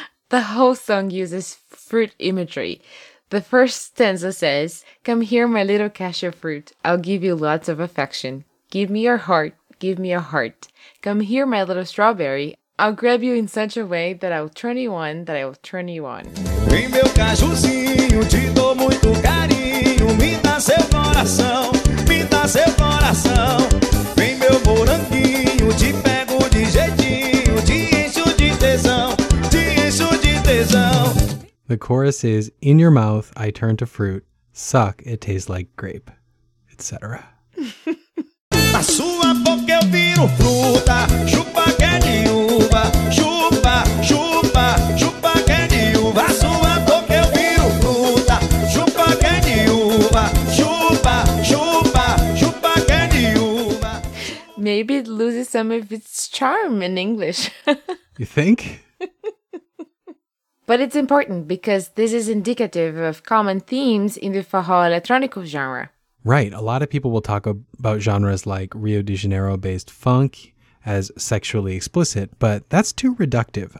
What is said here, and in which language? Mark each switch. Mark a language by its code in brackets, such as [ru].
[en] The whole song uses fruit imagery. The first stanza says, come here, my little cashew fruit. I'll give you lots of affection. Give me your heart. Give me a heart. Come here, my little strawberry. I'll grab you in such a way that I'll turn you on, that I'll turn you on. [pt] Vem meu cajuzinho, te dou muito carinho. Me dá seu coração, me dá seu coração. Vem meu moranguinho, te pego de jeitinho. Te encho de tesão, te encho de tesão. [en] The chorus is, in your mouth I turn to fruit. Suck, it tastes like grape, etc. [pt] Na sua boca eu viro fruta, chupa que é de uva, chupa, chupa, chupa que é de uva. Na sua boca eu viro fruta, chupa que é de uva, chupa, chupa, chupa que é de uva. [en] Maybe it loses some of its charm in English. You think? But it's important because this is indicative of common themes in the Fajo electronic genre. Right. A lot of people will talk about genres like Rio de Janeiro-based funk as sexually explicit, but that's too reductive.